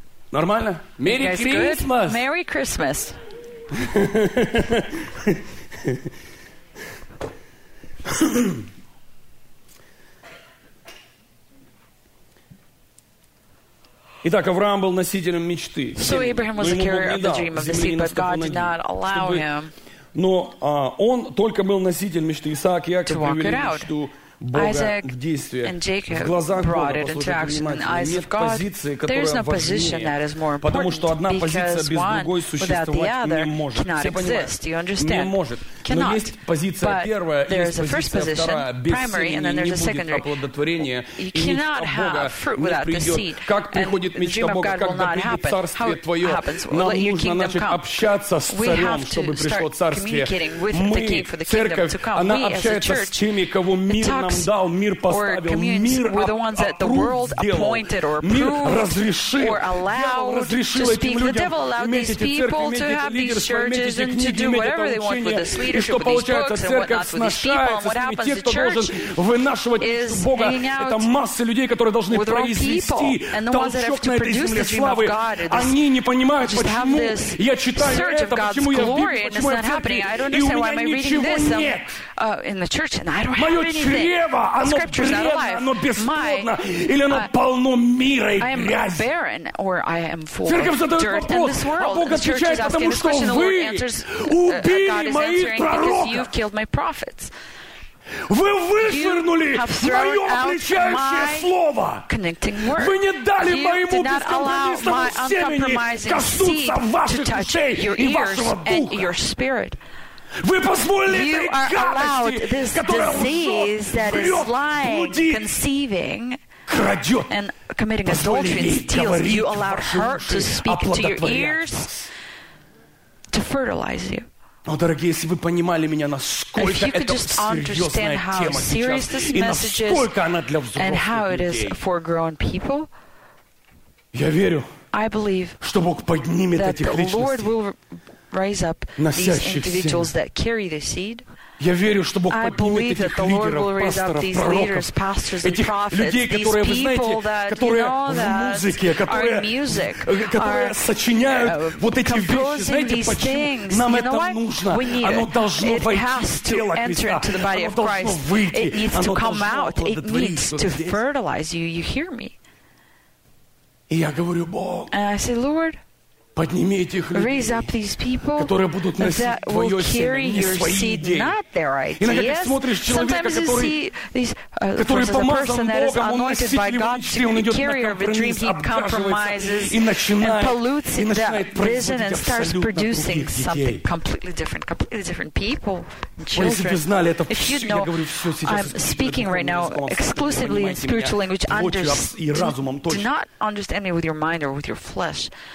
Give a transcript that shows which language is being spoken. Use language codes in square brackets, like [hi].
[ru] Нормально? [en] Merry Christmas! Good? Merry Christmas! [ru] Итак, Авраам был носителем мечты. [en] So Abraham was a carrier of the dream of the seed, but God did not allow him. [ru] Но он только был носителем мечты. Исаак и Яков привели мечту. [en] Isaac and Jacob brought it into action. In the eyes of God, there is no position that is more important, because one without the other cannot exist. You understand? Cannot. But there is a first position, primary, and then there is a secondary. You cannot have fruit without deceit. And the dream of God will not happen. How it happens? Let your kingdom come. We have to start communicating with the king for the kingdom to come. We as a church, [ru] нам дал, мир поставил, мир [en] appointed or approved or allowed [ru] разрешил этим людям иметь эти церкви, иметь эти лидеры, иметь эти книги, иметь это учение. И что получается, церковь сношается с ними, те, кто должен вынашивать Бога. Это масса людей, которые должны произвести толчок на этой земле славы. Они не понимают, почему я читаю это, почему я в Библии, почему я в церкви, и у меня ничего нет. [en] In the church, and I don't have anything. The scripture's not alive. [ru] Оно бесплодно, или оно полно мира и грязи. [en] I am barren, or I am full of dirt in this world. And the church is asking this question, and the Lord answers, God is answering, because you've killed my prophets. [ru] Вы вышвырнули мое обличающее слово. Вы не дали моему бескомпромиссному семени коснуться ваших ушей и вашего духа. Вы позволили [en] you [ru] этой гадости, которая влезет, блудит, крадет, [en] and committing adultery and steals. You allowed her to speak to your ears to fertilize you. [ru] Но, дорогие, если вы понимали меня, насколько это серьезная тема сейчас, и насколько она для взрослых людей, я верю, что Бог поднимет этих личностей. [en] Rise up these individuals that carry the seed. [ru] Я верю, что Бог поднимет этих лидеров, пасторов, пророков, [en] leaders, [ru] этих людей, которые, вы знаете, которые в музыке, которые сочиняют вот эти вещи. Знаете, почему нам это нужно? Оно должно войти в тело Христа. Оно должно выйти. Оно должно оплодотворить здесь. И я говорю, Бог, [en] and I say, Lord, [ru] подними этих людей, которые будут носить твое семя, не свои идеи. Иногда ты смотришь человека, который помазан Богом, он носитель его мечты, он идет на компромисс, обгаживается и начинает производить абсолютно других детей. [en] Completely different people, children. [ru] Если бы знали это все, я говорю все сейчас. [en] I'm speaking right now exclusively in spiritual language. Do not understand me with your mind or with your flesh.